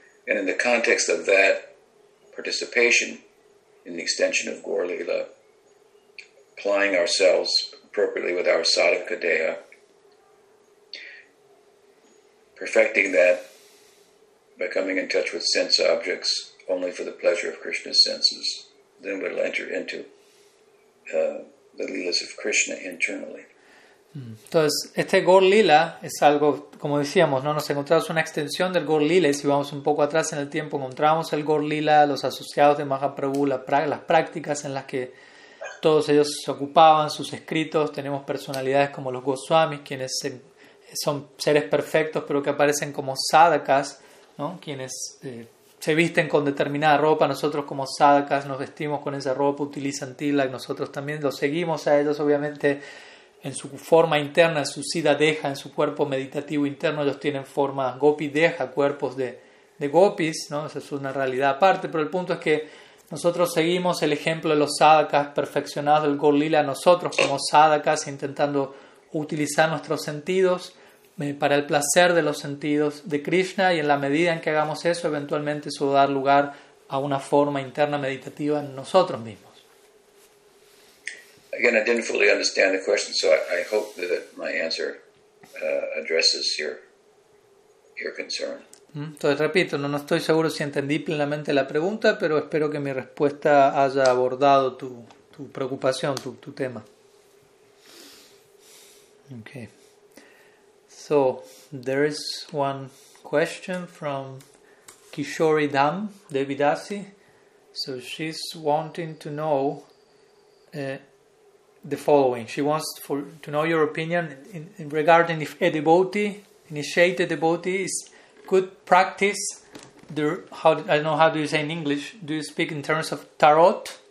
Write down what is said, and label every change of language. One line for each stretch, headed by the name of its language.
English: And in the context of that participation in the extension of Gaurlila, applying ourselves appropriately with our sadhaka deha, perfecting that by coming in touch with sense objects only for the pleasure of Krishna's senses, then we'll enter into the lilas of Krishna internally.
Spanish: Entonces, este Gaur Lila es algo, como decíamos, ¿no? Nos encontramos una extensión del Gaur Lila, y si vamos un poco atrás en el tiempo, encontramos el Gaur Lila, los asociados de Mahaprabhu, las prácticas en las que todos ellos se ocupaban, sus escritos. Tenemos personalidades como los Goswamis, quienes son seres perfectos, pero que aparecen como sadhakas, ¿no? Quienes se visten con determinada ropa, nosotros como sadhakas nos vestimos con esa ropa, utilizan tila, y nosotros también los seguimos a ellos, obviamente, en su forma interna, en su sida deja, en su cuerpo meditativo interno. Ellos tienen forma gopi deja, cuerpos de gopis, ¿no? Esa es una realidad aparte, pero el punto es que nosotros seguimos el ejemplo de los sadhakas perfeccionados del Gaur Lila, nosotros como sadhakas intentando utilizar nuestros sentidos para el placer de los sentidos de Krishna, y en la medida en que hagamos eso, eventualmente eso va a dar lugar a una forma interna meditativa en nosotros mismos.
English: Again, I didn't fully understand the question, so I hope that my answer addresses your concern.
Spanish: Entonces, repito, no estoy seguro si entendí plenamente la pregunta, pero espero que mi respuesta haya abordado tu preocupación, tu tema.
English: Okay. So, there is one question from Kishori Dam Devidasi. So, she's wanting to know the following. She wants to know your opinion in regarding if a devotee, initiated devotee, is good practice the, how, I don't know, how do you say in English, do you speak in terms of tarot?